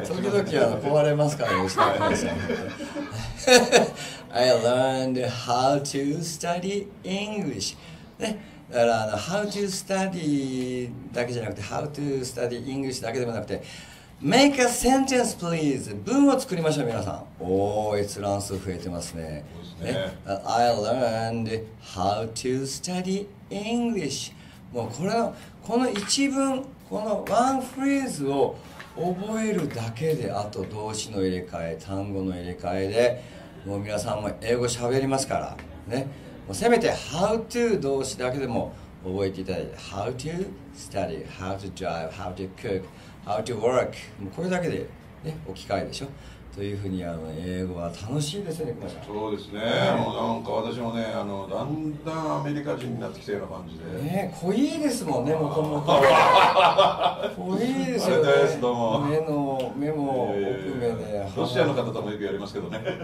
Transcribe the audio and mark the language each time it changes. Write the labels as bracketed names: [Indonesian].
[Japanese] 時々は壊れますからね、失礼します。 [English] I learned how to study English. [Japanese] ね、だから [English] how to study [Japanese] だけじゃなくて、 [English] how to study English [Japanese] だけでもなくて、 [English] Make a sentence, please. [Japanese] 文を作りましょう、皆さん。おー、閲覧数増えてます ね, ね。 [English] I learned how to study English. [Japanese] もうこれの、この一文、このワンフレーズを覚えるだけで、あと動詞の入れ替え、単語の入れ替えで、もう皆さんも英語喋りますから、ね。もうせめて、 [English] how to [Japanese] 動詞だけでも覚えていただいて、 [English] How to study, how to drive, how to cook, how to work、 [Japanese] もうこれだけで、ね、置き換えでしょ。というふうに英語は楽しいですね、熊ちゃん。そうですね、もうなんか私もね、だんだんアメリカ人になってきたような感じで。ね、濃いですもんね、もともと。濃いですよね、どうも。目も奥目で、ロシアの方ともよくやりますけどね。